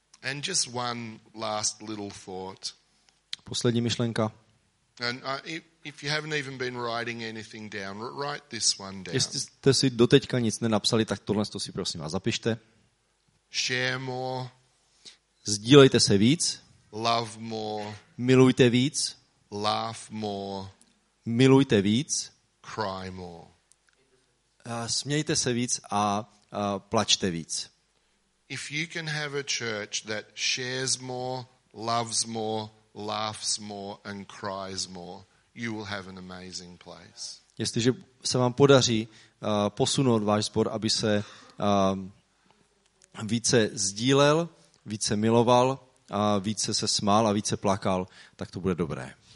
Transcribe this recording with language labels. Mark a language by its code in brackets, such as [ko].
[en] And just one last little thought. [cs] Poslední myšlenka. [en] And if you haven't even been writing anything down, write this one down. [cs] Jestli jste si doteďka nic nenapsali, tak tohle si prosím vás zapište. [en] Share more. [cs] Sdílejte se víc. [en] Love more. [cs] Milujte víc. [en] Laugh more. [cs] Milujte víc. [en] Cry more. [cs] Smějte se víc a plačte víc. [en] If you can have a church that shares more, loves more, laughs more and cries more, you will have an amazing place. [cs] Jestliže se vám podaří posunout váš sbor, aby se více sdílel, více miloval a více se smál a více plakal, tak to bude dobré.